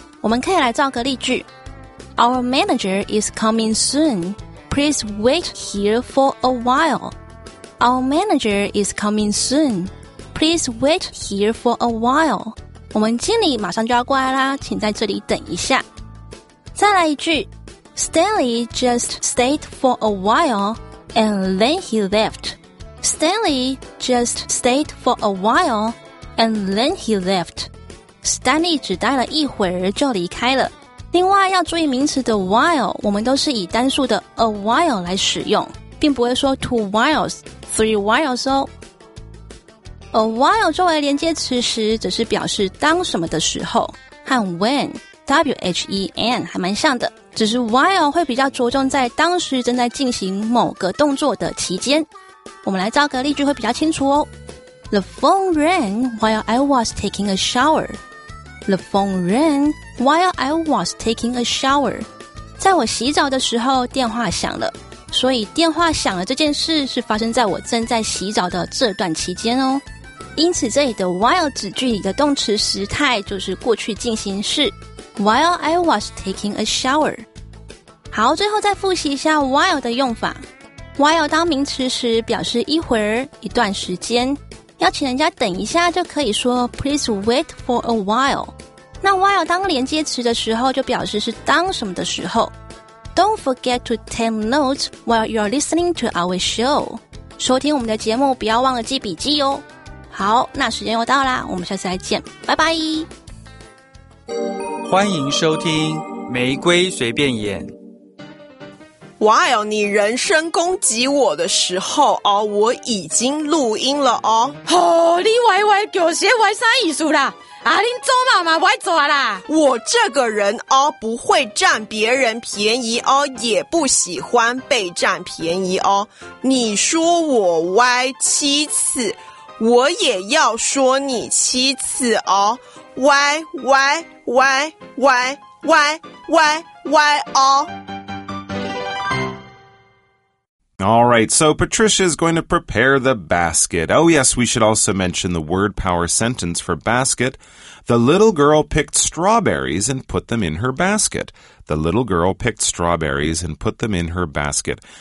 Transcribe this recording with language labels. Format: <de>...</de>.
<zh>我们可以来造个例句。</zh> <en>Our manager is coming soon. Please wait here for a while. Our manager is coming soon. Please wait here for a while.</en> <zh>我们经理马上就要过来啦，请在这里等一下。再来一句。</zh> <en>Stanley just stayed for a while and then he left. Stanley just stayed for a while and then he left.</en> <zh>Stanley 只待了一会儿就离开了。另外要注意名词的 while, 我们都是以单数的 a while 来使用，并不会说</zh> <en>two whiles, three whiles</en> <zh>哦。 A while 作为连接词时则是表示当什么的时候，和 when, W-H-E-N 还蛮像的，只是 while 会比较着重在当时正在进行某个动作的期间。我们来造个例句会比较清楚哦。 The phone rang while I was taking a shower. The phone rang while I was taking a shower. 在我洗澡的时候电话响了，所以电话响了这件事是发生在我正在洗澡的这段期间哦。因此这里的 while 子句里的动词时态就是过去进行式</zh> <en>while I was taking a shower。</en> <zh>好，最后再复习一下 while 的用法。while 当名词时表示一会儿一段时间，要请人家等一下就可以说</zh> <en>please wait for a while。</en> <zh>那 while 当连接词的时候就表示是当什么的时候。</zh> <en>Don't forget to take notes while you're listening to our show。</en> <zh>收听我们的节目不要忘了记笔记哦。好，那时间又到啦，我们下次再见，拜拜。欢迎收听《玫瑰随便演》。 While 你人身攻击我的时候哦，我已经录音了哦。吼、哦，你歪歪狗鞋歪啥意思啦？啊，恁周妈妈歪抓啦！我这个人哦，不会占别人便宜哦，也不喜欢被占便宜哦。你说我歪七次。我也要说你七次哦，歪歪歪歪歪歪歪哦。</zh> <en>All right, so Patricia is going to prepare the basket. Oh yes, we should also mention the word power sentence for basket. The little girl picked strawberries and put them in her basket. The little girl picked strawberries and put them in her basket.</en>